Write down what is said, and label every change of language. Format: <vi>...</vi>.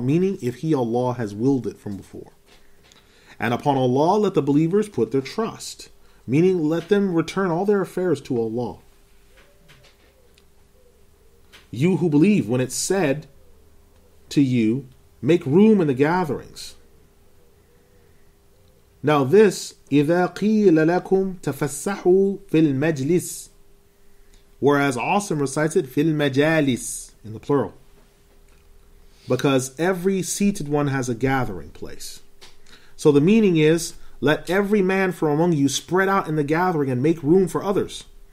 <en>Meaning, if he, Allah, has willed it from before. And upon Allah, let the believers put their trust. Meaning, let them return all their affairs to Allah. You who believe, when it's said to you, make room in the gatherings. Now this,</en> <ar>إِذَا قِيلَ لَكُمْ تَفَسَّحُوا فِي الْمَجْلِسِ.</ar> <en>Whereas Asim recites it,</en> <ar>فِي الْمَجَالِسِ,</ar> <en>in the plural. Because every seated one has a gathering place. So the meaning is, let every man from among you spread out in the gathering and make room for others.</en>